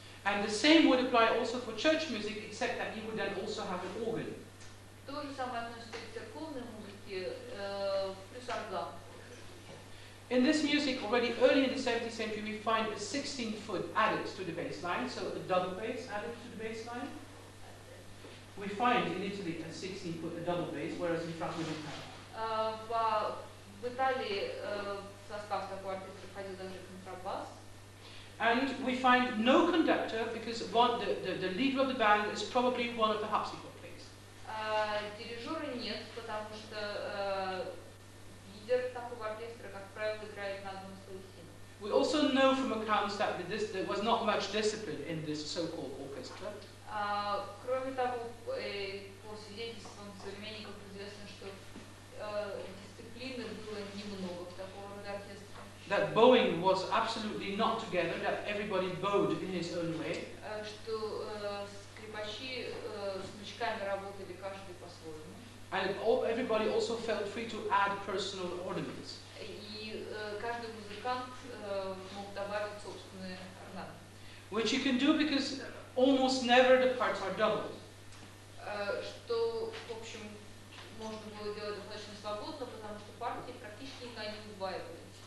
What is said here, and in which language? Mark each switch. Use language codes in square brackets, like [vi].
[en] And the same would apply also for church music, except that you would then also have an organ. [ru] То же самое относится к церковной музыке, плюс орган. [en] In this music, already early in the 17th century, we find a 16-foot added to the bass line, so a double bass added to the bass line. We find in Italy a 16-foot, a double bass, whereas in France we don't have. [ru] В Италии состав такой оркестра входил даже контрабас. [en] And we find no conductor, because the leader of the band is probably one of the harpsichord players. [ru] Дирижера нет, потому что лидер такого оркестра, как правило, играет на одном клавесине. [en] We also know from accounts that there was not much discipline in this so-called orchestra. [ru] Кроме того, по свидетельствам современников известно, что дисциплины было немного в такого рода оркестра. [en] That bowing was absolutely not together, that everybody bowed in his own way. [ru] Что скрипачи смычками работали каждый по-своему. [en] And everybody also felt free to add personal ornaments. [ru] И каждый музыкант мог добавить собственные орнаменты. [en] Which you can do because almost never the parts are doubled. [ru] Что, в общем, можно было делать достаточно свободно, потому что партии практически никогда не удваивались.